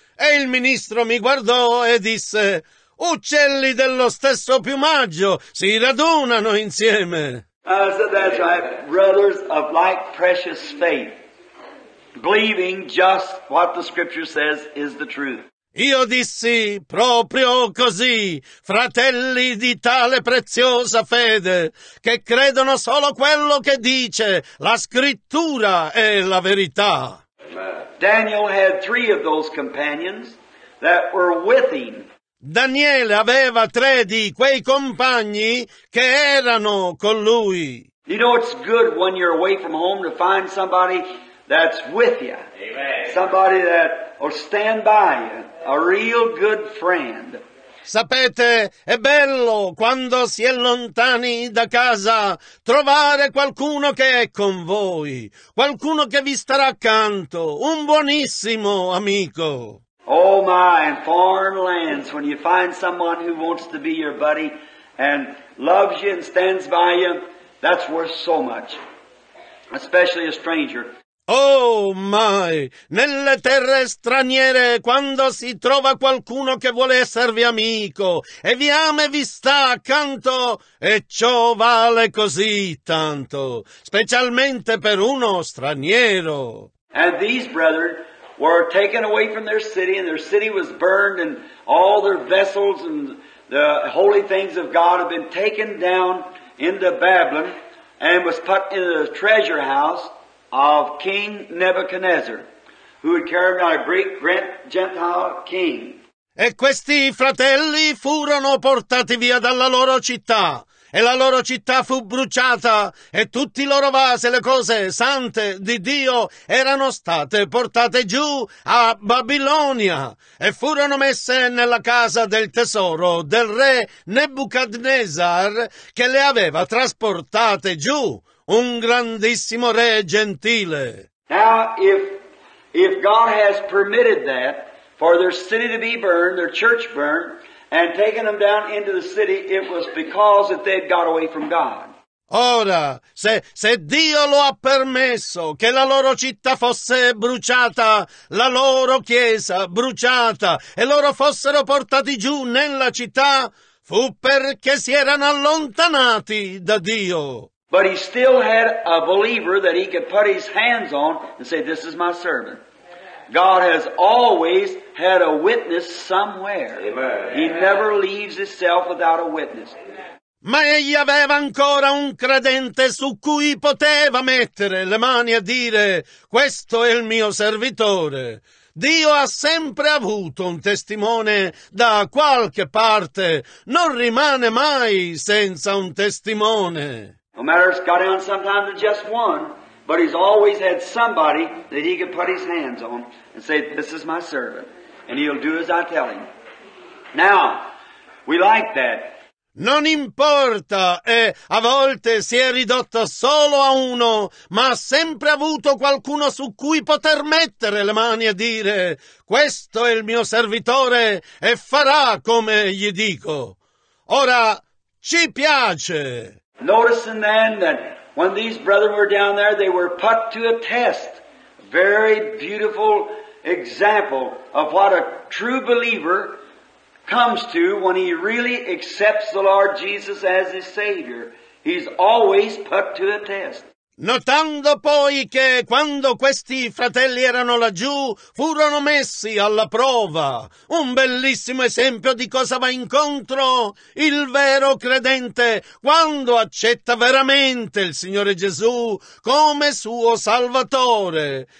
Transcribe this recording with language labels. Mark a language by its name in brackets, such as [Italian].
[Italian] E il ministro mi guardò e disse, uccelli dello stesso piumaggio si radunano insieme. [English] I said, that's right, brothers of like precious faith, believing just what the scripture says is the truth. [Italian] Io dissi, proprio così, fratelli di tale preziosa fede, che credono solo quello che dice, la scrittura è la verità. [English] Daniel had three of those companions that were with him. [Italian] Daniele aveva tre di quei compagni che erano con lui. [English] You know, it's good when you're away from home to find somebody that's with you. Amen. Somebody that will stand by you. A real good friend. [Italian] Sapete, è bello quando si è lontani da casa trovare qualcuno che è con voi, qualcuno che vi starà accanto, un buonissimo amico. [English] Oh my, in foreign lands, when you find someone who wants to be your buddy and loves you and stands by you, that's worth so much, especially a stranger. [Italian] Oh mai, nelle terre straniere, quando si trova qualcuno che vuole esservi amico e vi ama e vi sta accanto, e ciò vale così tanto, specialmente per uno straniero. [English] And these brethren were taken away from their city, and their city was burned, and all their vessels and the holy things of God have been taken down into Babylon and was put in the treasure house of King Nebuchadnezzar, who had carried out a great Gentile king. [Italian] E questi fratelli furono portati via dalla loro città, e la loro città fu bruciata, e tutti i loro vasi, le cose sante di Dio, erano state portate giù a Babilonia, e furono messe nella casa del tesoro del re Nebuchadnezzar, che le aveva trasportate giù. Un grandissimo re gentile. [English] Now, if God has permitted that, for their city to be burned, their church burned, and taken them down into the city, it was because that they had got away from God. [Italian] Ora, se Dio lo ha permesso che la loro città fosse bruciata, la loro chiesa bruciata, e loro fossero portati giù nella città, fu perché si erano allontanati da Dio. [English] But he still had a believer that he could put his hands on and say, this is my servant. God has always had a witness somewhere. Amen. He never leaves himself without a witness. [Italian] Ma egli aveva ancora un credente su cui poteva mettere le mani e dire, questo è il mio servitore. Dio ha sempre avuto un testimone da qualche parte. Non rimane mai senza un testimone. [English] No matter if it's got down sometimes to just one, but he's always had somebody that he could put his hands on and say, this is my servant, and he'll do as I tell him. Now, we like that. [Italian] Non importa, e a volte si è ridotto solo a uno, ma ha sempre avuto qualcuno su cui poter mettere le mani e dire, questo è il mio servitore e farà come gli dico. Ora, ci piace. [English] Noticing then that when these brethren were down there, they were put to a test. Very beautiful example of what a true believer comes to when he really accepts the Lord Jesus as his Savior. He's always put to a test. [Italian] Notando poi che quando questi fratelli erano laggiù, furono messi alla prova. Un bellissimo esempio di cosa va incontro il vero credente quando accetta veramente il Signore Gesù come suo Salvatore.